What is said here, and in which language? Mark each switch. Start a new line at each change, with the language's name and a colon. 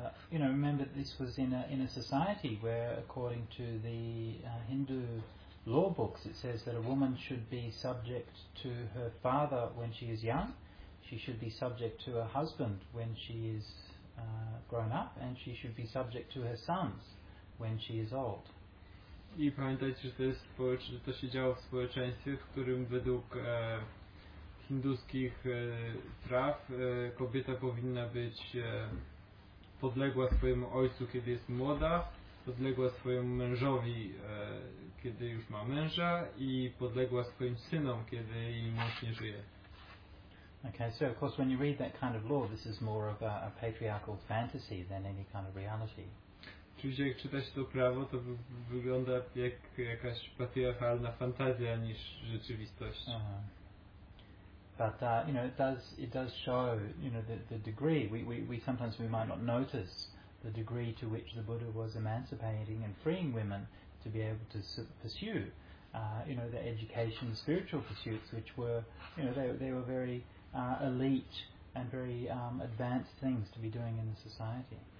English: You know, remember this was in a society where, according to the Hindu law books, it says that a woman should be subject to her father when she is young, she should be subject to her husband when she is grown up, and she should be subject to her sons when she is old.
Polish: I pamiętajcie, że to się działo w społeczeństwie, w którym według hinduskich praw kobieta powinna być podległa swojemu ojcu, kiedy jest młoda, podległa swojemu mężowi, kiedy już ma męża, i podległa swoim synom, kiedy jej mąż nie żyje.
English: Okay, so of course when you read that kind of law, this is more of a patriarchal fantasy than any kind of reality.
Polish: Oczywiście jak czyta się to prawo, to wygląda jak jakaś patriarchalna fantazja niż rzeczywistość.
English: But you know, it does show, you know, the degree. We sometimes we might not notice the degree to which the Buddha was emancipating and freeing women to be able to pursue you know, their education, spiritual pursuits, which were, you know, they were very elite and very advanced things to be doing in the society.